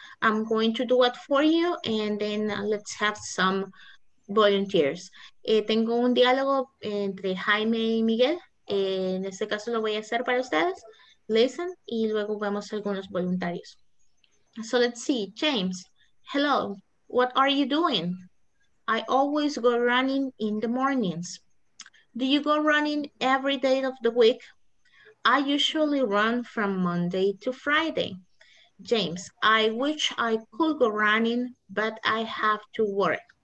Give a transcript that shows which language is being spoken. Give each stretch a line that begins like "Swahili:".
English: I'm going to do it for you and then let's have some volunteers.
Spanish: Tengo un diálogo entre Jaime y Miguel. En este caso lo voy a hacer para ustedes. Listen, y luego vemos algunos voluntarios.
English: So let's see, James, hello, what are you doing? I always go running in the mornings. Do you go running every day of the week? I usually run from Monday to Friday. James, I wish I could go running, but I have to work.